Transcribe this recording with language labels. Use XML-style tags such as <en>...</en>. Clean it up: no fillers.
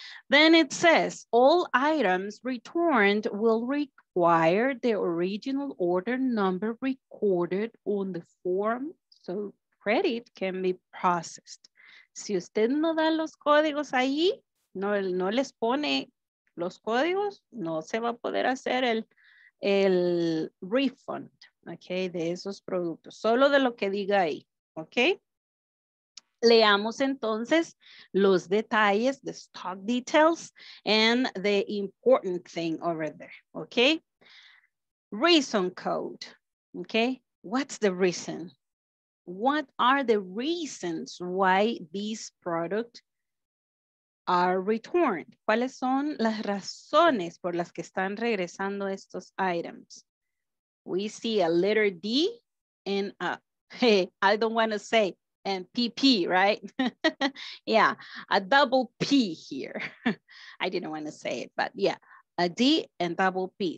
<en>Then it says, all items returned will require the original order number recorded on the form so credit can be processed.</en> <es>Si usted no da los códigos ahí, no les pone los códigos, no se va a poder hacer el refund, okay, de esos productos, solo de lo que diga ahí, okay. Leamos entonces los detalles,</es> <en>the stock details and the important thing over there, okay. Reason code, okay. What's the reason? What are the reasons why these products are returned?</en> <es>¿Cuáles son las razones por las que están regresando estos items?</es> <en>We see a letter D and a, hey, I don't want to say, and PP, right? Yeah, a double P here. I didn't want to say it, but yeah, a D and double P.</en>